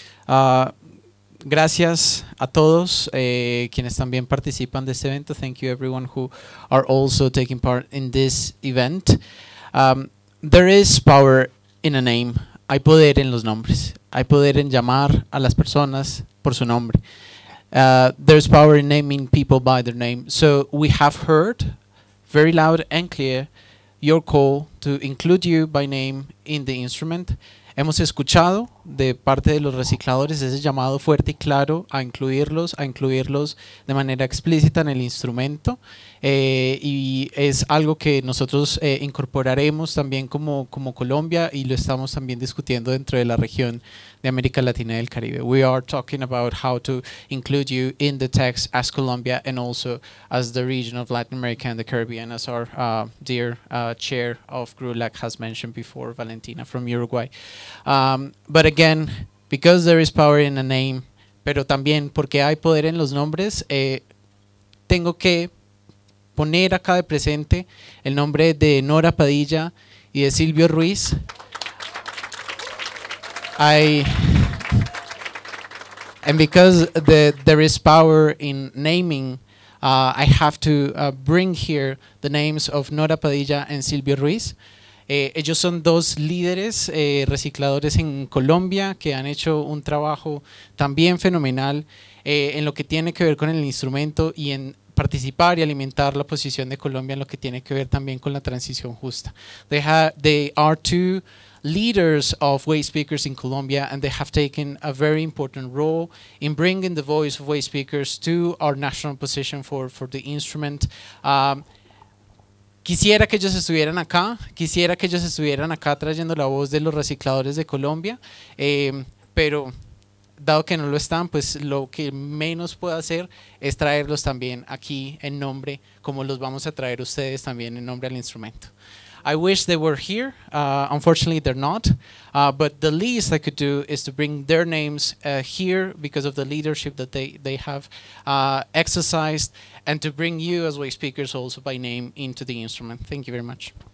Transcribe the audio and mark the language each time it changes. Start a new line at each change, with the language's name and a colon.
Spanish: Gracias a todos quienes también participan de este evento.
English: Thank you, everyone who are also taking part in this event. There is power in a name.
Spanish: Hay poder en los nombres. Hay poder en llamar a las personas por su nombre.
English: There's power in naming people by their name. So we have heard very loud and clear your call to include you by name in the instrument.
Spanish: Hemos escuchado de parte de los recicladores ese llamado fuerte y claro a incluirlos de manera explícita en el instrumento. Y es algo que nosotros incorporaremos también como Colombia, y lo estamos también discutiendo dentro de la región de América Latina y del Caribe.
English: We are talking about how to include you in the text as Colombia and also as the region of Latin America and the Caribbean, as our dear chair of GRULAC has mentioned before, Valentina from Uruguay. But again, because there is power in a name,
Spanish: pero también porque hay poder en los nombres, tengo que poner acá de presente el nombre de Nora Padilla y de Silvio Ruiz.
English: And because there is power in naming, I have to bring here the names of Nora Padilla and Silvio Ruiz.
Spanish: Ellos son dos líderes recicladores en Colombia que han hecho un trabajo también fenomenal en lo que tiene que ver con el instrumento y en participar y alimentar la posición de Colombia en lo que tiene que ver también con la transición justa.
English: They are two leaders of waste pickers in Colombia, and they have taken a very important role in bringing the voice of waste pickers to our national position for the instrument.
Spanish: Quisiera que ellos estuvieran acá. Quisiera que ellos estuvieran acá trayendo la voz de los recicladores de Colombia, pero dado que no lo están, pues lo que menos puedo hacer es traerlos también aquí en nombre, como los vamos a traer ustedes también en nombre al instrumento.
English: I wish they were here. Unfortunately, they're not. But the least I could do is to bring their names here because of the leadership that they have exercised, and to bring you as waste speakers also by name into the instrument. Thank you very much.